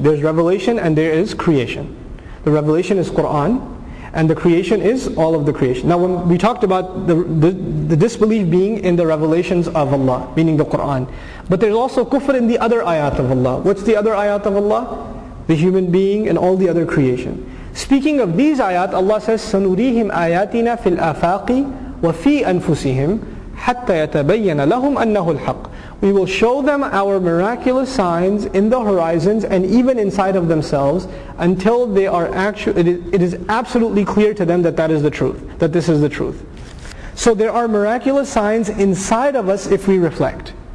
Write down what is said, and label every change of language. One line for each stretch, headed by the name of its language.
English: There's revelation and there is creation. The revelation is Qur'an. And the creation is all of the creation. Now when we talked about the disbelief being in the revelations of Allah, meaning the Qur'an. But there's also kufr in the other ayat of Allah. What's the other ayat of Allah? The human being and all the other creation. Speaking of these ayat, Allah says,
Arabic: سَنُرِيهِمْ آيَاتِنَا فِي الْآفَاقِ وَفِي أَنفُسِهِمْ حَتَّى يَتَبَيَّنَ لَهُمْ أَنَّهُ الْحَقِّ.
English: We will show them our miraculous signs in the horizons and even inside of themselves until they are it is absolutely clear to them that that is the truth, that this is the truth. So there are miraculous signs inside of us if we reflect.